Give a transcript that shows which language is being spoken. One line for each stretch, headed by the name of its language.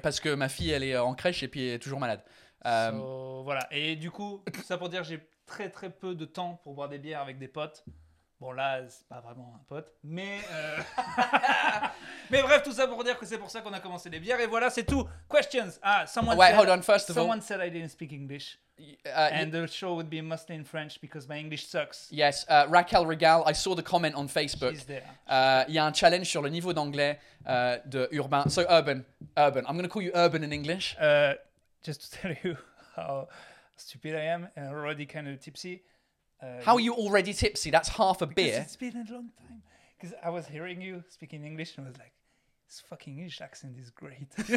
French: Parce que ma fille, elle est en crèche et puis elle est toujours malade. Voilà, et du coup, ça pour dire que j'ai très très peu de temps pour boire des bières avec des potes. Bon, là, c'est pas vraiment un pote, mais. mais bref, tout ça pour dire que c'est pour ça qu'on a commencé les bières, et voilà, c'est tout. Questions. Ah,
English: someone said I didn't speak English. And the show would be mostly in French because my English sucks. Yes, Raquel Regal, I saw the comment on Facebook. She's there.
French: Il y a un challenge sur le niveau d'anglais de Urbain.
English: So, Urban. I'm going to call you Urban in English. Just to tell you how stupid I am, and already kind of tipsy. How are you already tipsy? That's half a beer. It's been a long time. Because I was hearing you speaking English, and I was like, this fucking English accent is great.